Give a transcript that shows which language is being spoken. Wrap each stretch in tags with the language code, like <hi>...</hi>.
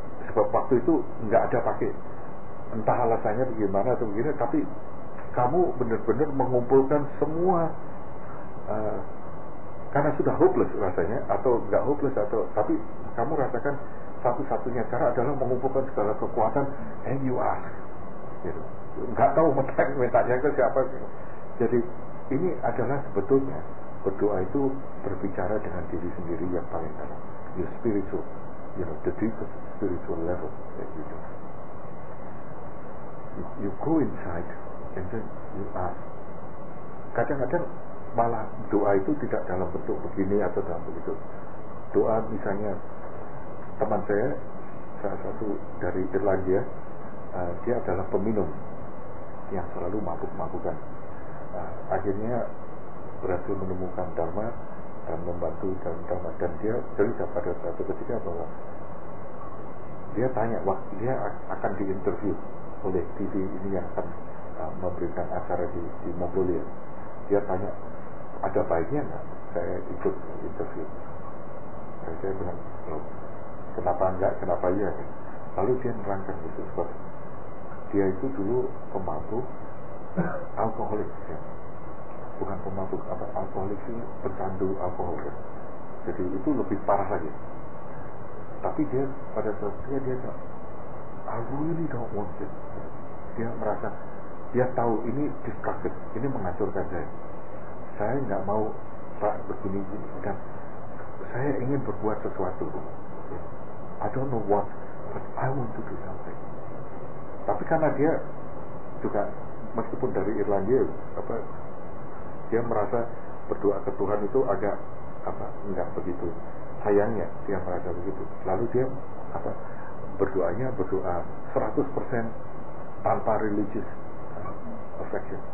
<id>Sebab waktu itu enggak ada pakai entah alasannya bagaimana atau begini, tapi kamu benar-benar mengumpulkan semua karena sudah hopeless rasanya, atau enggak hopeless, atau tapi kamu rasakan satu-satunya cara adalah mengumpulkan segala kekuatan</id> <en>and you ask.</en> <id>Gitu. Enggak tahu mintanya ke siapa. Jadi ini adalah sebetulnya berdoa itu berbicara dengan diri sendiri yang paling dalam,</id> <en>your spiritual, you know, the deepest spiritual level that you do. You go inside and then you ask.</en> <id>Kadang-kadang malah doa itu tidak dalam bentuk begini atau dalam begitu. Doa misalnya teman saya, salah satu dari Irlandia, dia adalah peminum yang selalu mabuk-mabukan. Akhirnya berhasil menemukan Dharma dan membantu dalam Dharma, dan dia cerita pada suatu ketika bahwa dia tanya, dia akan diinterview oleh TV ini yang akan memberikan acara di Mongolia. Dia tanya, ada baiknya nggak saya ikut interview? Dan saya bilang, loh, kenapa enggak, kenapa iya? Lalu dia nerangkan itu, sebab dia itu dulu pemabuk, alkoholik, ya. Bukan pemabuk, apa, alkoholik sih, pecandu alkohol, ya. Jadi itu lebih parah lagi. Tapi dia pada saatnya dia tak,</id> <en>I really don't want it.</en> <id>Dia merasa, dia tahu ini destructive, ini menghancurkan saya. Saya enggak mau tak begini, dan saya ingin berbuat sesuatu.</id> <en>I don't know what, but I want to do something.</en> <id>Tapi karena dia juga meskipun dari Irlandia, apa, dia merasa berdoa ke Tuhan itu agak apa, enggak begitu sayangnya, dia merasa begitu. Lalu dia apa, berdoanya berdoa 100% tanpa religious affection.</id>